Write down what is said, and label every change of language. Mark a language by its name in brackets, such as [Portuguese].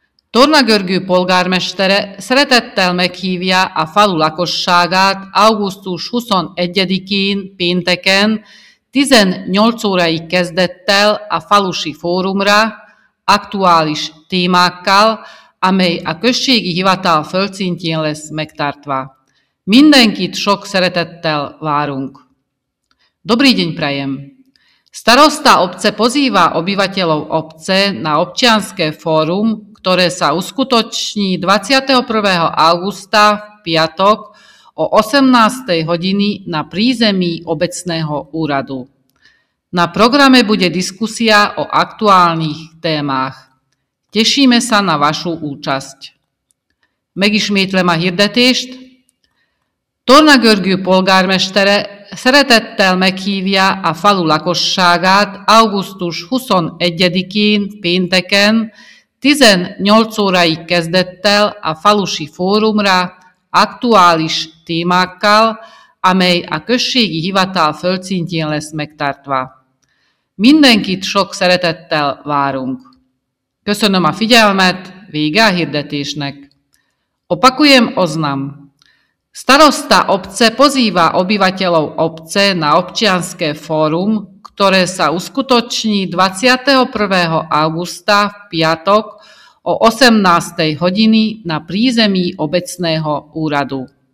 [Hungarian] Tornagörgő polgármestere szeretettel meghívja a falu lakosságát augusztus 21-én pénteken 18 óráig kezdettel a falusi fórumra aktuális témákkal, amely a községi hivatal földszintjén lesz megtartva. Mindenkit sok szeretettel várunk. [Slovak] Dobrý deň prajem! Starosta obce pozýva obyvateľov obce na občianske fórum, ktoré sa uskutoční 21. augusta v piatok o 18. hodiny na prízemí obecného úradu. Na programe bude diskusia o aktuálnych témach. Tešíme sa na vašu účasť. [Hungarian] Megismétlem a hirdetést. Tornagörgő polgármestere szeretettel meghívja a falu lakosságát augusztus 21-én pénteken 18 óráig kezdettel a falusi fórumra aktuális témákkal, amely a községi hivatal földszintjén lesz megtartva. Mindenkit sok szeretettel várunk. Köszönöm a figyelmet, vége a hirdetésnek. [Slovak] Opakujem oznam. Starosta obce pozýva obyvateľov obce na občianske fórum, ktoré sa uskutoční 21. augusta v piatok o 18. hodiny na prízemí obecného úradu.